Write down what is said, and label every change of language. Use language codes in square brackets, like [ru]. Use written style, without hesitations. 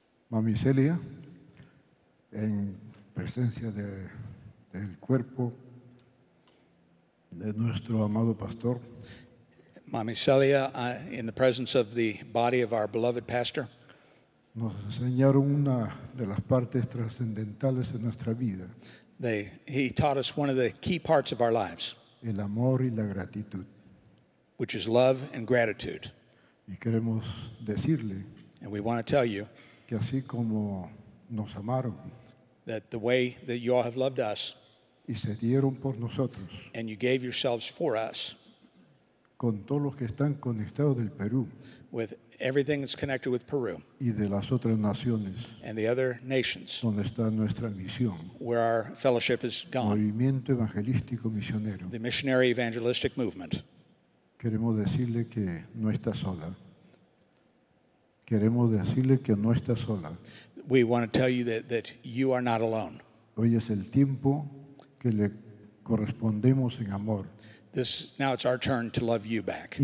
[es] Mami Celia, en presencia del cuerpo de nuestro amado pastor. [en] Mami Celia, in the presence of the body of our beloved pastor. [es] Nos enseñaron una de las partes trascendentales de nuestra vida. [en] He taught us one of the key parts of our lives. [es] El amor y la gratitud. [en] Which is love and gratitude. [es] Y queremos decirle. [en] And we want to tell you. [es] Que así como nos amaron, [en] that the way that you all have loved us, [es] y se dieron por nosotros, [en] and you gave yourselves for us, [es] con todos los que están conectados del Perú, [en] with everything that's connected with Peru, [es] y de las otras naciones, [en] and the other nations, [es] donde está nuestra misión, [en] where our fellowship is gone, [es] movimiento evangelístico misionero, [en] the missionary evangelistic movement, [es] queremos decirle que no está sola. Queremos decirle que no está sola. [en] We want to tell you that you are not alone. [es] Hoy es el tiempo que le correspondemos en amor. [en] This, now it's our turn to love you back.